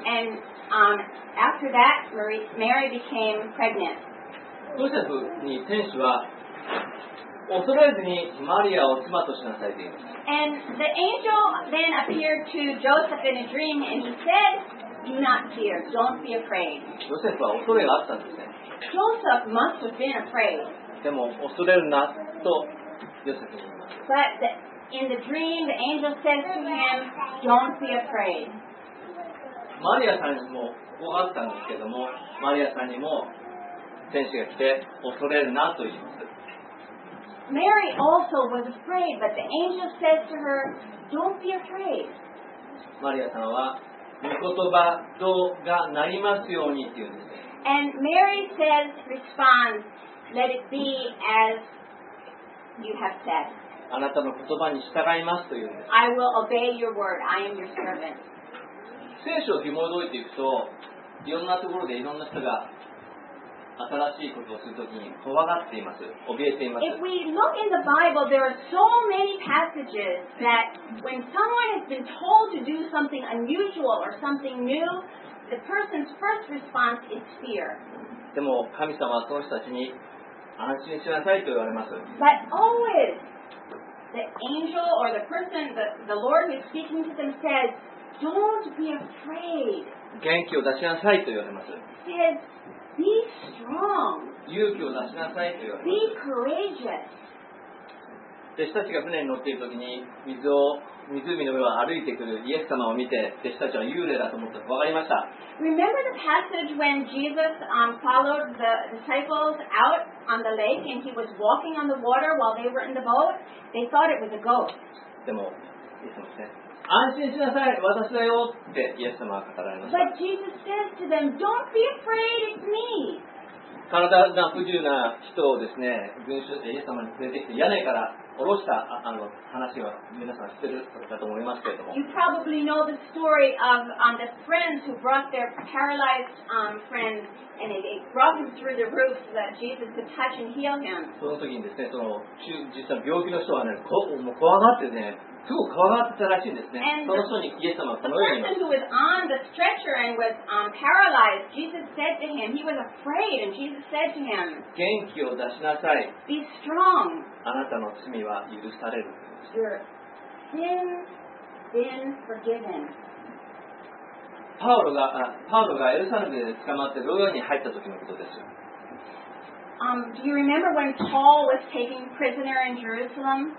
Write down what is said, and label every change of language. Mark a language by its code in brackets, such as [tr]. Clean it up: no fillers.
[en] And after that, Mary became pregnant. [ja] ヨセフに天使は恐れずにマリアを妻としなさいと言います。 [en] And the angel then appeared to Joseph in a dream and he said, "Do not fear, don't be afraid." [ja] ヨセフは恐れがあったんですね。 [en] Joseph must have been afraid. [ja] でも恐れるなとヨセフに言います。 [en] But in the dream, the angel said to him, "Don't be afraid." [ja] マリアさんにもこうあったんですけども、マリアさんにも天使が来て恐れるなと言います。 [en] Mary also was afraid, but the angel said to her, "Don't be afraid." [ja] マリアさんは御言葉どうがなりますようにって言うんです。 [en] And Mary says, responds, "Let it be as you have said." [ja] あなたの言葉に従いますというんです。 [en] I will obey your word. I am your servant. [ja] 聖書を紐解いていくと、いろんなところでいろんな人が新しいことをするときに怖がっています。怯えています。 [en] If we look in the Bible, there are so many passages that when someone has been told to do something unusual or something new, the person's first response is fear. [ja] でも神様はその人たちに安心しなさいと言われます。 [en] But always, the angel or the person, the Lord who is speaking to them says, don't be afraid. [ja] 元気を出しなさいと言われます。 [en] Says, be strong. [ja] 勇気を出しなさいと言われます。 [en] Be courageous. [ja] 弟子たちが船に乗っているときに水を湖の上を歩いてくるイエス様を見て弟子たちは幽霊だと思ったと分かりました。 [en] Remember the passage when Jesus followed the disciples out on the lake and he was walking on the water while they were in the boat? They thought it was a ghost. [ja] でもイエス様ですね、安心しなさい、私だよってイエス様は語られました。 [en] But Jesus says to them, don't be afraid, it's me. [ja] 体が不自由な人をですね、群衆でイエス様に連れてきて屋根から下ろした話は皆さん知ってるだと思いますけれども。 [en] You probably know the story of the friends who brought their paralyzed friend and they brought him through the roof so that Jesus could touch and heal him. [ja] その時にですね、その実際病気の人はね、もう怖がってね、すごく怖がってたらしいんですね。 [en] And、 [ja] その人にイエス様はこのように言います。 [en] The person who was on the stretcher and was paralyzed, Jesus said to him, he was afraid, and Jesus said to him, [ja] 元気を出しなさい。 [en] Be strong. [ja] あなたの罪は許される。 [en] Your sin been forgiven. [ja] パウロがエルサレムで捕まって牢屋に入った時のことです。 [en] Do you remember when Paul was taken prisoner in Jerusalem?